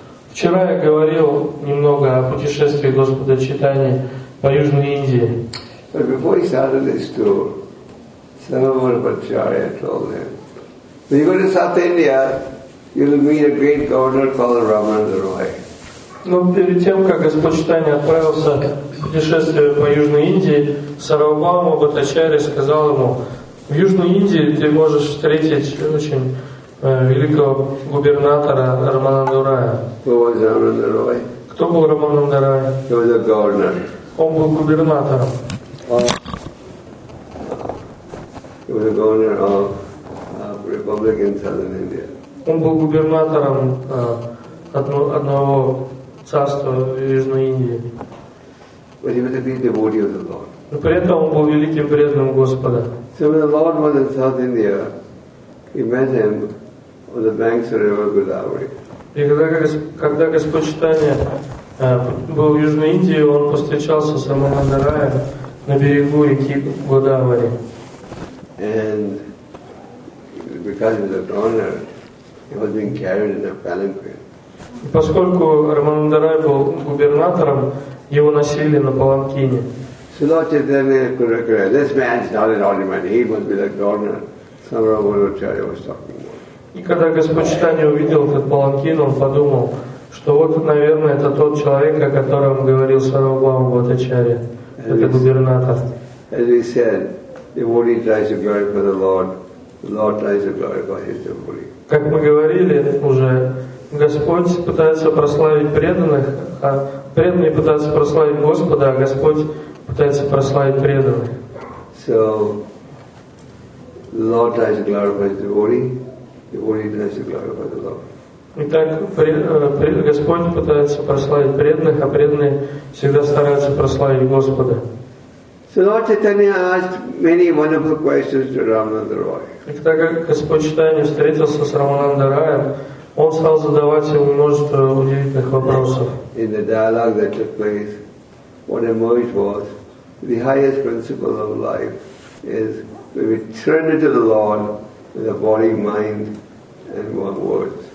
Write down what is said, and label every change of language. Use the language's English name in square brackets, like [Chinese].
[Russian] Вчера я говорил немного о путешествии Господа Чайтани по Южной Индии. [English] But before he started this tour, Sarvabhauma Bhattacharya told him, when you go to South India, you'll meet a great governor called Ramananda Roy. [Russian] Но перед тем, как Господь Чайтани отправился в путешествие по Южной Индии, Сарвабхаума Бхаттачарья сказал ему, в Южной Индии ты можешь встретить очень великого губернатора Рамананду Рая. [English] Who was Рамананда Рой? [Russian] Кто был Рамананда Рай? [English] He was a governor. [Russian] Он был губернатором. [English] He was a governor of Republic in Southern India. [Russian] Он был губернатором одного царства в Южной Индии. [English] But he was a great devotee of the Lord. [Russian] Но при этом он был великим преданным Господа. [English] So when the Lord was in South India, he met him on the banks of the river Godavari. [Russian] И когда Господь Чайтанья был в Южной Индии, он постречался с Рамананда Раем на берегу реки Годавари. [English] And because of the honor, he was being carried in a palanquin. [Russian] И поскольку Рамананда Рай был губернатором, его носили на паланкине. [English] So Lord Chaitanya could recognize, this man's not an ordinary, he must be the governor. Sarvabhauma Bhattacharya was talking about. [Russian] И когда Господь Чайтанья увидел этот паланкин, он подумал, что вот, наверное, это тот человек, о котором говорил Сарвабхаума Бхаттачарья, это губернатор. [English] As we said, devotee tries to glorify the Lord, the Lord tries to glorify his devotee. [Russian] Как мы говорили уже, Господь пытается прославить преданных, а преданные пытаются прославить Господа, а Господь пытается прославить преданных. [English] So, the Lord tries to glorify his devotee. Devotee tries to glorify the Lord. [Russian] Итак, Господь пытается прославить преданных, а преданные всегда стараются прославить Господа. [English] So, Lord Chaitanya asked many wonderful questions to Ramananda Roy. [Russian] И так как Господь Чайтанья встретился с Рамананда Раем, он стал задавать ему множество удивительных вопросов. [English] In the dialogue that took place, what emerged was the highest principle of life is to return to the Lord with a body, mind, and one word.